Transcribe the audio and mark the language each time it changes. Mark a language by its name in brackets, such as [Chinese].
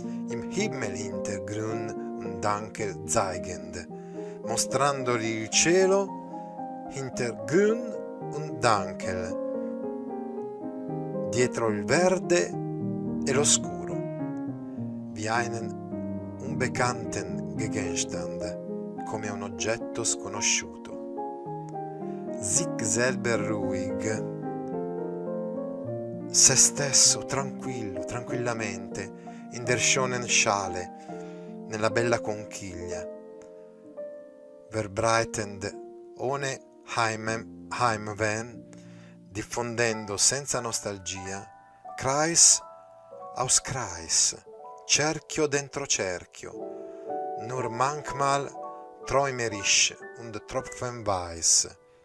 [German] Im Himmel hintergrün und dunkel zeigend. [Italian] Mostrandogli il cielo [German] hintergrün und dunkel. [Italian] Dietro il verde e lo scuro. [German] Wie einen unbekannten Gegenstand. [Italian] Come un oggetto sconosciuto. [German] Sich selber ruhig, [Italian] se stesso tranquillo, tranquillamente, [German] in der schönen Schale, [Italian] nella bella conchiglia, [German] verbreitend ohne Heimwehen, [Italian] diffondendo senza nostalgia, [German] Kreis aus Kreis, [Italian] cerchio dentro cerchio, [German] nur manchmal träumerisch und tropfenweise.